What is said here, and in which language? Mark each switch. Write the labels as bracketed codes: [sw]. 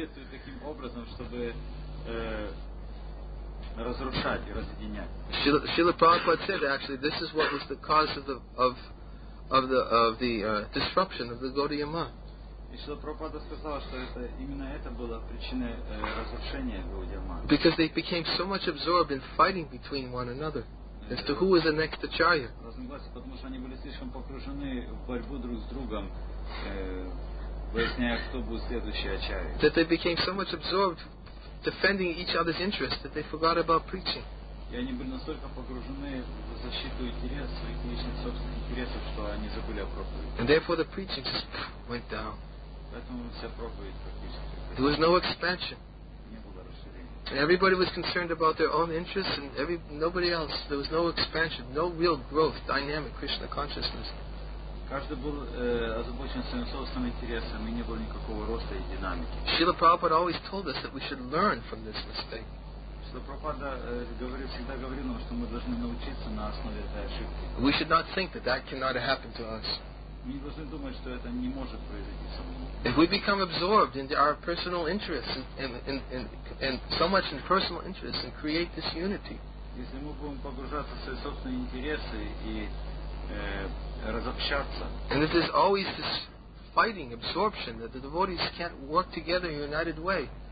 [ru] Она действует таким образом, чтобы разрушать и разъединять. [en] Шрила Прабхупада said actually this is what was the cause of the disruption of the Gaudiya Math. [ru] И Шрила Прабхупада сказал, что именно это было причиной разрушения Гаудия Матха. [en] Because they became so much absorbed in fighting between one another as to who was the next acharya. [ru] Разногласия, потому что они были слишком погружены в борьбу друг с другом, выясняя, кто будет следующий ачарья. [en] That they became so much absorbed defending each other's interests that they forgot about preaching. [ru] И они были настолько погружены в защиту интересов своих личных собственных интересов, что они забыли о проповеди. [en] And therefore the preaching just went down. [ru] Поэтому вся проповедь практически. [en] There was no expansion. [ru] Не было расширения. [en] And everybody was concerned about their own interests and nobody else. There was no expansion, no real growth, dynamic Krishna consciousness. [ru] Каждый был озабочен своим собственным интересом, и не было никакого роста и динамики. [en] Шрила Прабхупада always told us that we should learn from this mistake. [ru] Прабхупада всегда говорил нам, что мы должны научиться на основе этой ошибки. [en] We should not think that that cannot happen to us. [ru] Мы не должны думать, что это не может произойти со мной. [en] If we become absorbed in our personal interests and so much in personal interests and create this unity. [ru] Если мы будем погружаться в свои собственные интересы и разобщаться. [en] And this is always this fighting, absorption, that the devotees can't work together in a united way.